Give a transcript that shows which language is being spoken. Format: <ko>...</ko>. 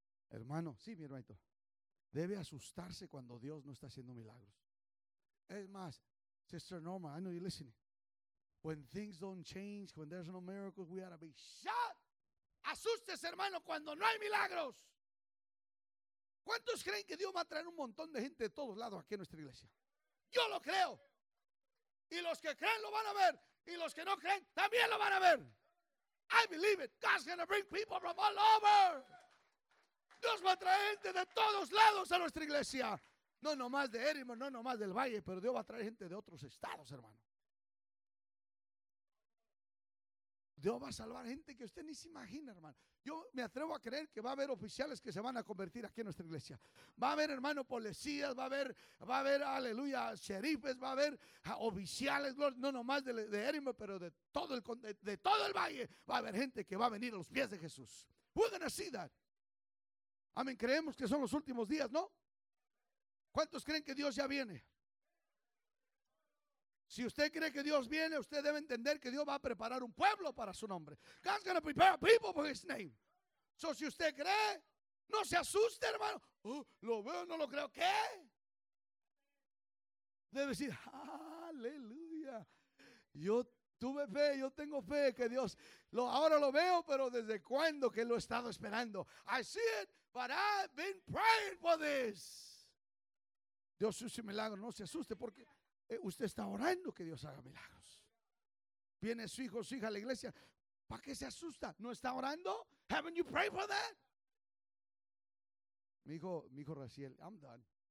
<es>Hermano, sí, mi hermanito, debe asustarse cuando Dios no está haciendo milagros. Es más,</es> <en>Sister Norma, I know you're listening. When things don't change, when there's no miracles, we ought to be shocked.</en> <es>Asustes, hermano, cuando no hay milagros. ¿Cuántos creen que Dios va a traer un montón de gente de todos lados aquí a nuestra iglesia? Yo lo creo. Y los que creen lo van a ver. Y los que no creen también lo van a ver.</es> <en>I believe it. God's going to bring people from all over.</en> <es>Dios va a traer gente de todos lados a nuestra iglesia. No nomás de Erimo, no nomás del Valle, pero Dios va a traer gente de otros estados, hermano. Dios va a salvar gente que usted ni se imagina, hermano. Yo me atrevo a creer que va a haber oficiales que se van a convertir aquí en nuestra iglesia. Va a haber, hermano, policías, va a haber, aleluya, sheriffes, va a haber oficiales, no nomás de Erimo, pero de todo el valle va a haber gente que va a venir a los pies de Jesús.</es> <en>We're gonna see that.</en> <es>Amén, creemos que son los últimos días, ¿no? ¿Cuántos creen que Dios ya viene? Si usted cree que Dios viene, usted debe entender que Dios va a preparar un pueblo para su nombre.</es> <en>God's going to prepare a people for his name.</en> <es>So, si usted cree, no se asuste, hermano. Oh, lo veo, no lo creo. ¿Qué? Debe decir, aleluya. Yo tuve fe, yo tengo fe que Dios, ahora lo veo, pero ¿desde cuándo que lo he estado esperando?</es> <en>I see it, but I've been praying for this.</en> <es>Dios es un milagro, no se asuste porque usted está orando que Dios haga milagros. Viene su hijo, su hija a la iglesia. ¿Para qué se asusta? ¿No está orando?</es> <en>Haven't you prayed for that?</en> <es>Mi hijo Raciel,</es> <en>I'm done.</en>